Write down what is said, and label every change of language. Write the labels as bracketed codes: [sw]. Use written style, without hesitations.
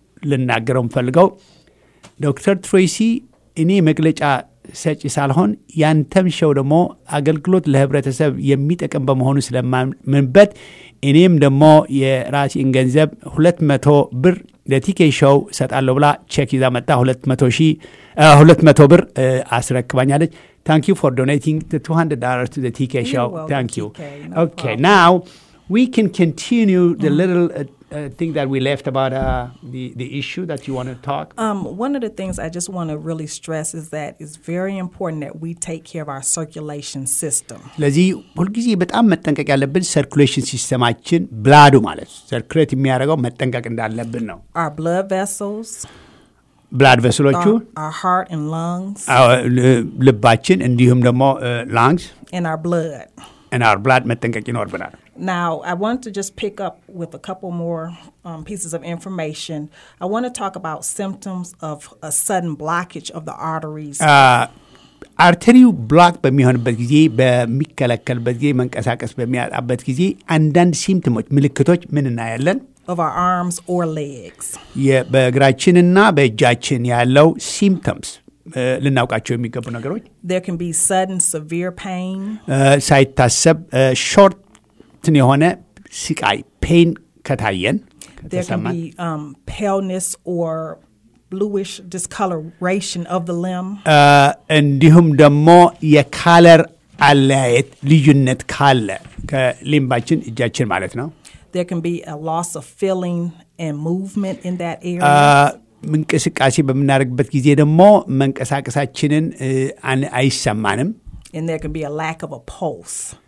[am] ልናገረው የምፈልገው ዶክተር ትሬሲ፣ እኔ መግለጫ ሰጪ ሳልሆን ያንተም ሸው ደግሞ አገልግሎት ለህብረተሰብ የሚጠቅም በመሆኑ ስለማምንበት እኔም ደግሞ የራሴን ገንዘብ 200 ብር ለቲኬ ሸው ሰጣለሁ ብላ ቼክ ይዛ መጣ። 200 ብር አስረክባኛለች። [en] ታንክ ዩ ፎር ዶኔቲንግ ዘ $200 ቱ ዘ ቲኬ ሸው። ታንክ ዩ። ኦኬ ናው ዊ ካን ኮንቲኒው ዘ ሊትል thing that we left about the issue that you want to talk. One of the things I just want to really stress is that it's very important that we take care of our circulation system. [am] ለዚህ ሁልጊዜ በጣም መጠንቀቅ ያለብን circulation systemችን blood ማለት circulate የሚያደርገው መጠንቀቅ እንዳለብን ነው። [en] Our blood vessels. [am] blood vessels-ዎቹ [en] our heart and lungs. [am] ልባችን እንዲሁም ደግሞ lungs [en] and our blood. and our blood [am] መጠንቀቅ ይኖርብናል። [en] Now, I want to just pick up with a couple more pieces of information. I want to talk about symptoms of a sudden blockage of the arteries. [am] Arterial block በሚሆንበት ጊዜ በሚከለከልበት ጊዜ መንቀሳቀስ በሚያጣበት ጊዜ አንዳንድ ሲምፕቶች ምልክቶች ምን እናያለን? [en] Of our arms or legs. [am] በእግራችንና በእጃችን ያለው symptoms ለናውቃቸው የሚገቡ ነገሮች? [en] There can be sudden severe pain. [am] ሳይታሰብ short ትን የሆነ ሲቃይ ፔን ከታየን ከተሰማን [en] there can be paleness or bluish discoloration of the limb [am] እንዲሁም ደግሞ የካለር አለያየት ልዩነት ካለ ከሊምባችን እጃችን ማለት ነው [en] there can be a loss of feeling and movement in that area [am] እንቅስቃሴ በመናረግበት ጊዜ ደግሞ መንቀሳቀሳችንን አይሰማንም [en] and there can be a lack of a pulse